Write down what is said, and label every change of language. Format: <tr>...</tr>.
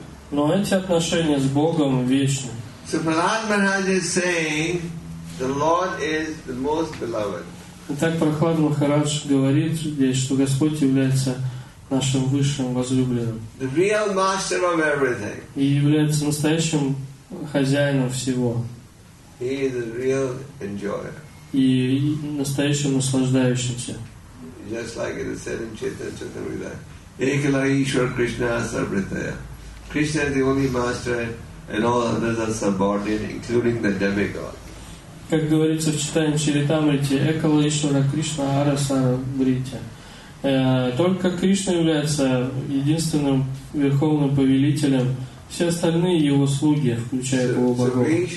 <ru>Но эти отношения с Богом вечны.</ru> <en>So Prahlad Maharaj is saying, the Lord is the most beloved.</en> <ru>Итак, Прохлад Махарадж говорит здесь, что Господь является нашим высшим возлюбленным.</ru> <en>The real master of everything.</en> <ru>И является настоящим хозяином всего.</ru> <en>He is the real enjoyer.</en> <ru>И настоящим наслаждающимся.</ru> <en>Just like it is said in Chaitanya Charitamrita.</en> <sa>Ekala Ishwara Krishna Sarvritaya.</sa> <en>Krishna is the only master and all others are subordinate, including the demigod.</en> <ru>Как говорится в читании Чаритамрите,</ru> <sa>Экала Ишвара Кришна Араса Брите.</sa> <ru>Только Кришна является единственным верховным повелителем. Все остальные его слуги, включая его богов.</ru>